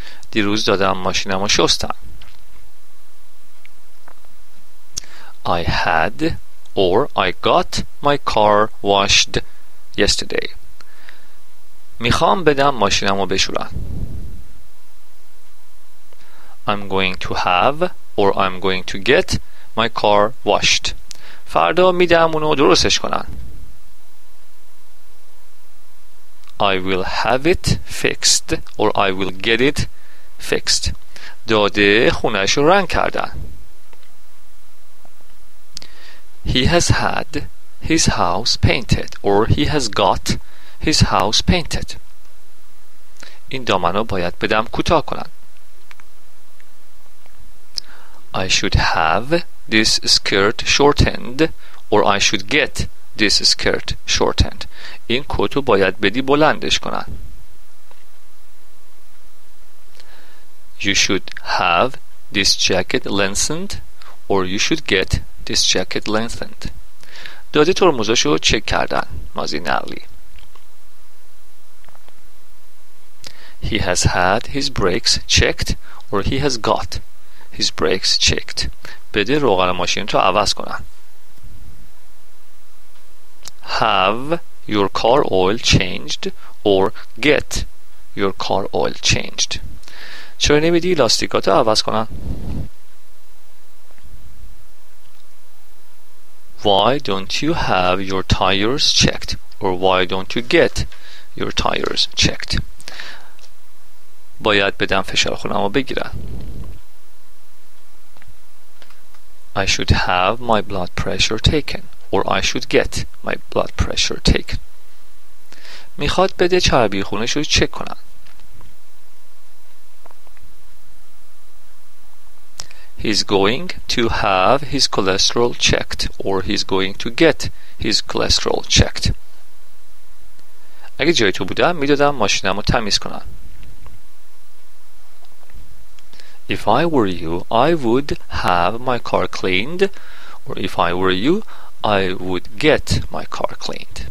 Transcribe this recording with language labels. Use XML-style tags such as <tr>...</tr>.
<fa>دیروز دادم ماشینم رو شستن.</fa> <en>I had or I got my car washed yesterday.</en> <fa>میخوام بدم ماشینم رو بشورن.</fa> <en>I'm going to have or I'm going to get my car washed.</en> <fa>فردا میدم اونو درستش کنن.</fa> <en>I will have it fixed or I will get it fixed.</en> <fa>داده خونش رو رنگ کردن.</fa> <en>He has had his house painted or he has got his house painted.</en> <fa>این دامنو باید بدم کوتاه کنن.</fa> <en>I should have this skirt shortened or I should get this skirt shortened.</en> <fa>این کتو باید بدی بلندش کنن.</fa> <en>You should have this jacket lengthened or you should get this jacket lengthened.</en> <fa>داده ترمزاشو چک کردن. ماضی نقلی.</fa> <en>He has had his brakes checked or he has got his brakes checked.</en> <fa>بده روغن ماشین تو عوض کنن.</fa> <en>Have your car oil changed or get your car oil changed.</en> <fa>چرا نمیدی لاستیکاتو عوض کنن؟</fa> <en>Why don't you have your tires checked or why don't you get your tires checked.</en> <fa>باید بدم فشار خونمو بگیرن.</fa> <en>I should have my blood pressure taken or I should get my blood pressure taken.</en> <fa>میخواد بده چربی خونش رو چک کنن.</fa> <en>He's going to have his cholesterol checked or he's going to get his cholesterol checked.</en> <fa>اگه جای تو بودم میدادم ماشینمو تمیز کنن.</fa> <en>If I were you, I would have my car cleaned or if I were you, I would get my car cleaned.</en>